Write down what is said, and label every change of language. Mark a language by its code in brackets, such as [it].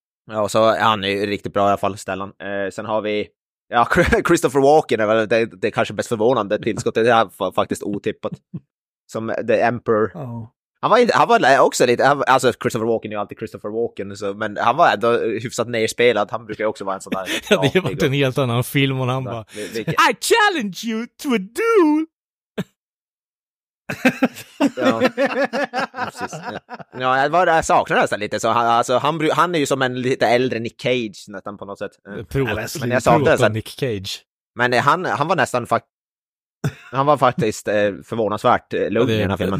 [sv] Ja, så han är ju riktigt bra i alla fall, Stellan. Sen har vi Christopher Walken, det är kanske bäst förvånande tillskottet, det är faktiskt otippat, som The Emperor. Han var också lite, alltså Christopher Walken är ju alltid Christopher Walken, så, men han var ändå hyfsat nerspelad. Han brukar också vara en sån där. Ja, det har varit en helt annan film, och han bara, [en] I challenge you to a duel. [sv] Ja. Ja, vad jag saknar nästan lite så han är ju som en lite äldre Nick Cage nästan på något sätt. Men jag saknar nästan Nick Cage. Men han var nästan han var faktiskt förvånansvärt lugn i den här filmen.